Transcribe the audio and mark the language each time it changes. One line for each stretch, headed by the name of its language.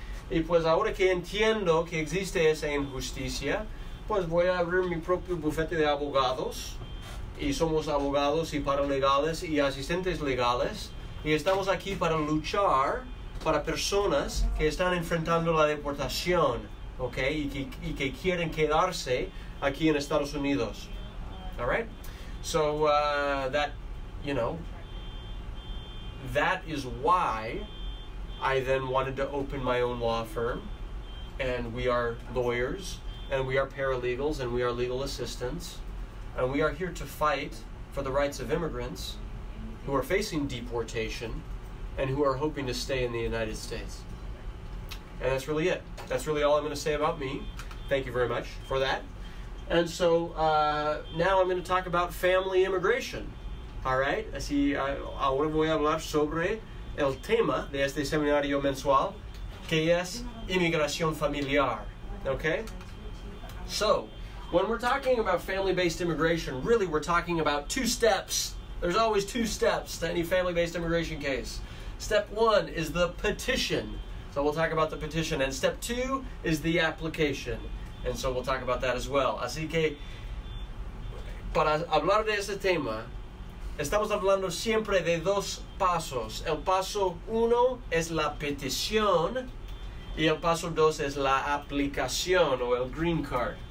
Spanish: Y pues ahora que entiendo que existe esa injusticia, pues voy a abrir mi propio bufete de abogados, y somos abogados y paralegales y asistentes legales, y estamos aquí para luchar para personas que están enfrentando la deportación, ¿ok? Y que quieren quedarse aquí en Estados Unidos.
English: All right? So that is why I then wanted to open my own law firm, and we are lawyers, and we are paralegals, and we are legal assistants, and we are here to fight for the rights of immigrants who are facing deportation and who are hoping to stay in the United States. And that's really it. That's really all I'm going to say about me. Thank you very much for that. And so now I'm going to talk about family immigration. All right?
Spanish: Así, ahora voy a hablar sobre el tema de este seminario mensual, que es inmigración familiar.
English: Okay? So, when we're talking about family-based immigration, really we're talking about two steps. There's always two steps to any family-based immigration case. Step one is the petition. So we'll talk about the petition. And step two is the application. And so we'll talk about that as well.
Spanish: Así que, para hablar de este tema, estamos hablando siempre de dos pasos. El paso uno es la petición, y el paso dos es la aplicación, o el green card.